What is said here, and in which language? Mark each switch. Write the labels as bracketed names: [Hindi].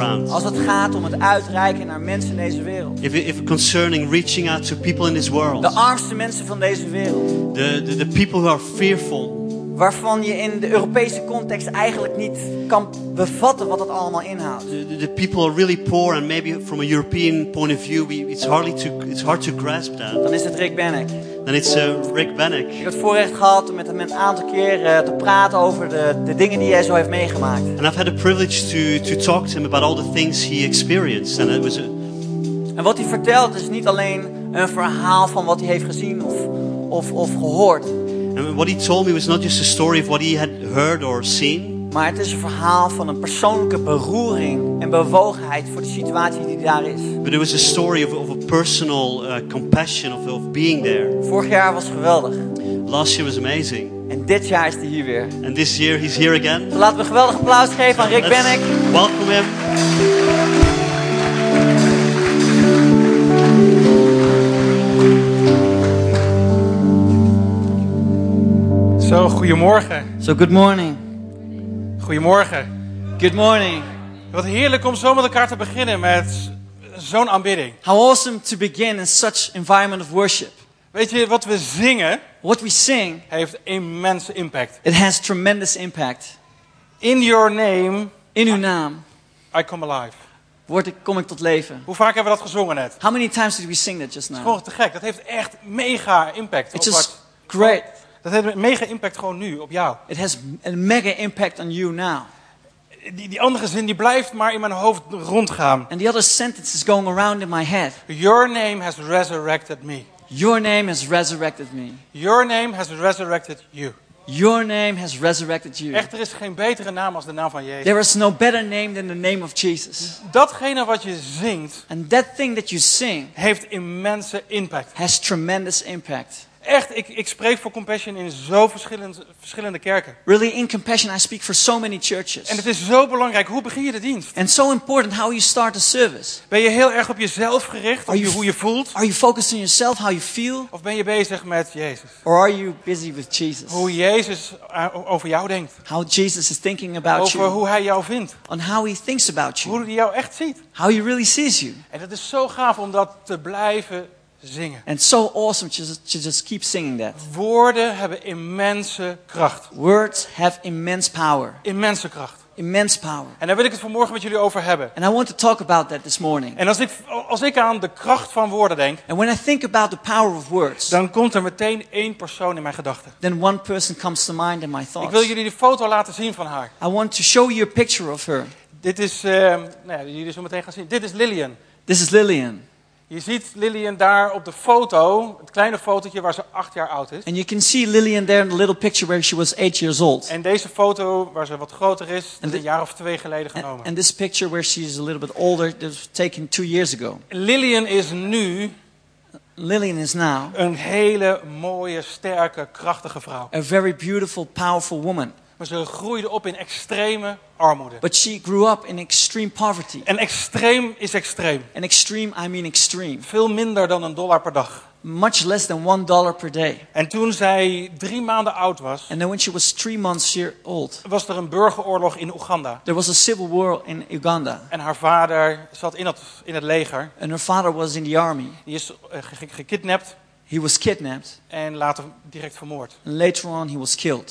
[Dutch] Als het gaat om het uitreiken naar mensen in deze wereld. [English] If concerning reaching out to people in this world. [Dutch] De armste mensen van deze wereld. [English] The people who are fearful. [Dutch] Waarvan je in de Europese context eigenlijk niet kan bevatten wat dat allemaal inhoudt. [English] The people are really poor and maybe from a European point of view it's hard to grasp that. [Dutch] Dan is het Rick Benek. [English] Then it's Rick Benek. [Dutch] Ik heb het voorrecht gehad om met hem een aantal keer te praten over de dingen die hij zo heeft meegemaakt. [English] And I've had the privilege to talk to him about all the things he experienced and it was. [Dutch] En wat hij vertelt is niet alleen een verhaal van wat hij heeft gezien of gehoord. [English] And what he told me was not just a story of what he had heard or seen. [Dutch] Maar het is een verhaal van een persoonlijke beroering en bewogenheid voor de situatie die daar is. [English] But it was a story of a personal compassion of being there. [Dutch] Vorig jaar was geweldig. [English] Last year was amazing. [Dutch] En dit jaar is hij hier weer. [English] And this year he's here again. [Dutch] Laten we een geweldig applaus geven aan Rick Benek. [English] Welcome him. [Dutch] Zo, goedemorgen. [English] So, good morning. [Dutch] Goedemorgen. [English] Good morning. [Dutch] Wat heerlijk om zo met elkaar te beginnen met zo'n aanbidding. [English] How awesome to begin in such environment of worship. [Dutch] Weet je, wat we zingen... [English] What we sing... [Dutch] Heeft immense impact. [English] It has tremendous impact. In your name... [Dutch] In uw naam... [English] I come alive. [Dutch] Kom ik tot leven. Hoe vaak hebben we dat gezongen net? [English] How many times did we sing that just now? [Dutch] Dat is gewoon te gek. Dat heeft echt mega impact. [English] It's just great. [Dutch] Dat heeft een mega impact gewoon nu op jou. [English] It has a mega impact on you now. [Dutch] Die andere zin die blijft maar in mijn hoofd rondgaan. [English] And the other sentence is going around in my head. Your name has resurrected me. Your name has resurrected me. Your name has resurrected you. Your name has resurrected you. [Dutch] Echt, er is geen betere naam als de naam van Jezus. [English] There is no better name than the name of Jesus. [Dutch] Datgene wat je zingt. [English] And that thing that you sing. [Dutch] Heeft immense impact. [English] Has tremendous impact. [Dutch] Echt, ik spreek voor Compassion in zo verschillende kerken. [English] Really, in Compassion I speak for so many churches. [Dutch] En het is zo belangrijk, hoe begin je de dienst? [English] And so important how you start the service. [Dutch] Ben je heel erg op jezelf gericht, hoe je voelt? [English] Are you focused on yourself, how you feel? [Dutch] Of ben je bezig met Jezus? [English] Or are you busy with Jesus? [Dutch] Hoe Jezus over jou denkt. [English] How Jesus is thinking about [Dutch] over [English] you. [Dutch] Over hoe hij jou vindt. [English] On how he thinks about you. [Dutch] Hoe hij jou echt ziet. [English] How he really sees you. [Dutch] En dat is zo gaaf om dat te blijven zingen. [English] And so awesome to just keep singing that. [Dutch] Woorden hebben immense kracht. [English] Words have immense power. [Dutch] Immense kracht. [English] Immense power. [Dutch] En daar wil ik het vanmorgen met jullie over hebben. [English] And I want to talk about that this morning. [Dutch] En als ik aan de kracht van woorden denk. [English] And when I think about the power of words. [Dutch] Dan komt er meteen één persoon in mijn gedachten. [English] Then one person comes to mind in my thoughts. [Dutch] Ik wil jullie de foto laten zien van haar. [English] I want to show you a picture of her. [Dutch] Dit is, jullie zullen meteen gaan zien. Dit is Lillian. [English] This is Lillian. [Dutch] Je ziet Lillian daar op de foto, het kleine fotootje waar ze 8 jaar oud is. [English] And you can see Lillian there in the little picture where she was 8 years old. [Dutch] En deze foto waar ze wat groter is, dat is een jaar of 2 geleden genomen. [English] And this picture where she is a little bit older, that was taken 2 years ago. [Dutch] Lillian is now een hele mooie, sterke, krachtige vrouw. [English] A very beautiful, powerful woman. [Dutch] Maar ze groeide op in extreme armoede. [English] But she grew up in extreme poverty. [Dutch] En extreem is extreem. [English] And extreme, I mean extreme. [Dutch] Veel minder dan een dollar per dag. [English] Much less than $1 per day. [Dutch] En toen zij 3 maanden oud was. [English] And then when she was 3 months year old. [Dutch] Was er een burgeroorlog in Oeganda. [English] There was a civil war in Uganda. [Dutch] En haar vader zat in het leger. [English] And her father was in the army. [Dutch] Die is gekidnapt. [English] He was kidnapped. [Dutch] En later direct vermoord. [English] And later on he was killed.